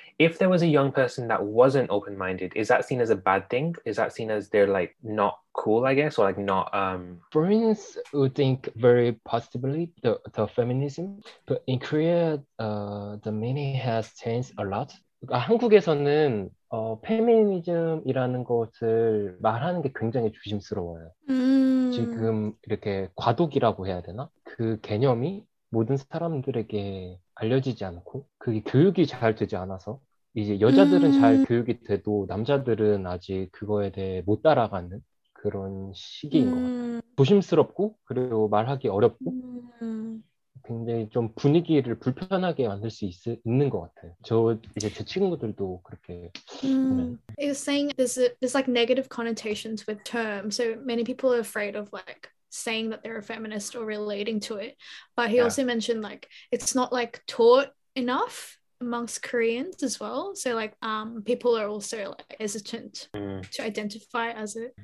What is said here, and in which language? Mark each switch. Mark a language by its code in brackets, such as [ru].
[en] If there was a young person that wasn't open-minded, is that seen as a bad thing? Is that seen as they're like not cool, I guess, or like not Koreans would think very positively the feminism, but in Korea the meaning has changed a lot. [ko] 한국에서는 페미니즘이라는 것을 말하는 게 굉장히 조심스러워요. 지금 이렇게 과도기라고 해야 되나? 그 개념이 모든 사람들에게 알려지지 않고 그게 교육이 잘 되지 않아서 이제 여자들은 잘 교육이 돼도 남자들은 아직 그거에 대해 못 따라가는 그런 시기인 것 같아요. 조심스럽고 그리고 말하기 어렵고 굉장히 좀 분위기를 불편하게 만들 수 있는 것 같아요. 저 이제 제 친구들도 그렇게 [en] It's saying there's like negative connotations with term. So many people are afraid of like saying that they're a feminist or relating to it. But he also mentioned like it's not like taught enough amongst Koreans as well. So like people are also like hesitant to identify as it.